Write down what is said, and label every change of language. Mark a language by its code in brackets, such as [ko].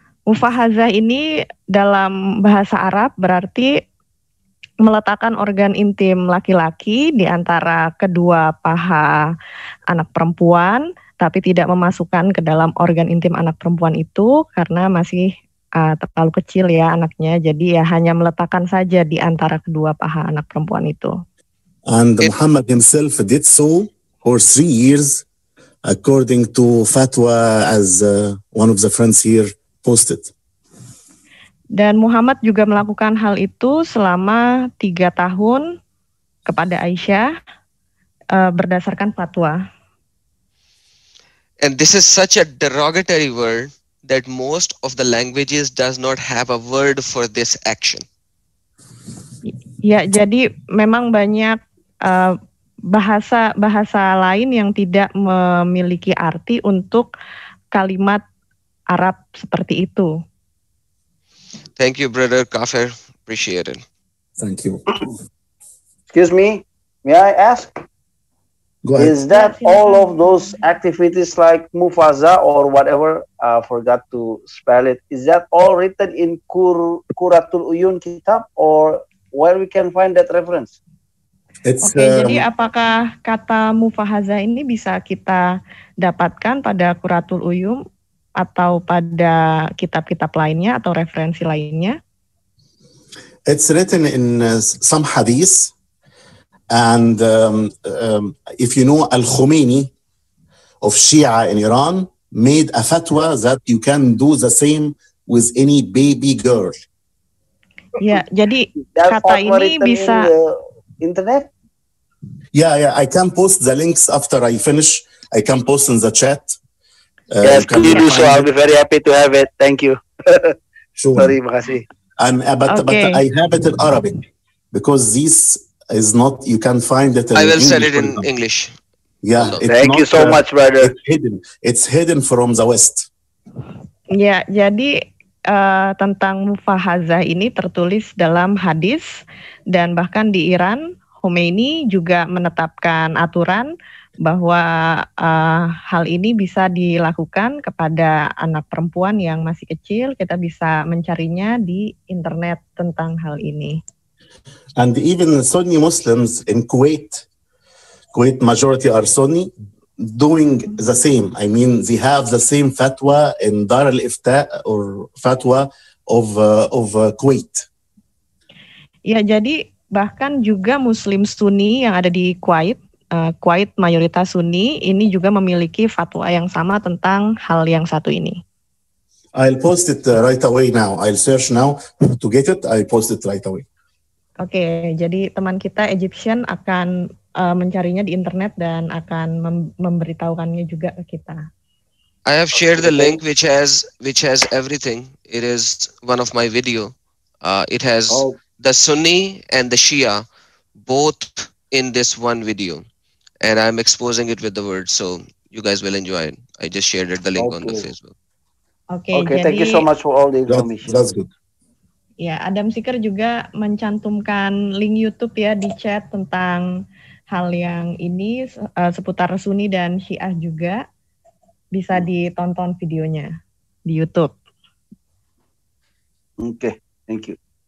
[id] Mufahazah ini dalam bahasa Arab berarti meletakkan organ intim laki-laki di antara kedua paha anak perempuan, tapi tidak memasukkan ke dalam organ intim anak perempuan itu karena masih terlalu kecil ya anaknya. Jadi ya hanya meletakkan saja di antara kedua paha anak perempuan itu. [en] And Muhammad himself did so for 3 years, according to fatwa as one of the friends here posted. [id] Dan Muhammad juga melakukan hal itu selama 3 tahun kepada Aisyah berdasarkan fatwa. [en] And this is such a derogatory word that most of the languages does not have a word for this action. [id] Ya, jadi memang banyak bahasa lain yang tidak memiliki arti untuk kalimat Arab seperti itu. [en] Thank you, Brother Kafir. Appreciate it. Thank you. Excuse me. May I ask? Go ahead. Is that all of those activities like mufaza or whatever, I forgot to spell it, is that all written in Quratul Uyun Kitab or where we can find that reference? [id] Jadi apakah kata mufaza ini bisa kita dapatkan pada Quratul Uyun atau pada kitab-kitab lainnya atau referensi lainnya? [en] It's written in some hadith. And if you know Al-Khomeini of Shia in Iran made a fatwa that you can do the same with any baby girl. [id] Yeah, jadi kata ini bisa [en] internet? Yeah, I can post the links after I finish. I can post in the chat. Yes, can you do so? I'll be very happy to have it. Thank you. Sure. [id] Terima kasih. [en] But I have it in Arabic because these is not, you can find it. I will sell it in English. Yeah. No. Thank you so much, brother. It's hidden from the West. [id] Yeah, jadi tentang mufahazah ini tertulis dalam hadis dan bahkan di Iran, Khomeini juga menetapkan aturan bahwa hal ini bisa dilakukan kepada anak perempuan yang masih kecil. Kita bisa mencarinya di internet tentang hal ini. [en] And even Sunni Muslims in Kuwait, majority are Sunni, doing the same. I mean, they have the same fatwa in Dar al-Ifta or fatwa of Kuwait. [id] Ya, jadi bahkan juga Muslim Sunni yang ada di Kuwait, Kuwait mayoritas Sunni, ini juga memiliki fatwa yang sama tentang hal yang satu ini. [en] I'll post it right away now. I'll search now to get it. I'll post it right away. [id] Oke, jadi teman kita Egyptian akan mencarinya di internet dan akan memberitahukannya juga ke kita. [en] I have shared the link which has everything. It is one of my video. It has the Sunni and the Shia both in this one video. And I'm exposing it with the word, so you guys will enjoy it. I just shared it, the link on the Facebook. Okay, thank you so much for all the information. That's good. [id] Ya, Adam Seeker juga mencantumkan link YouTube ya di chat tentang hal yang ini, seputar Sunni dan Syiah juga. Bisa ditonton videonya di YouTube. [en] Okay, thank you.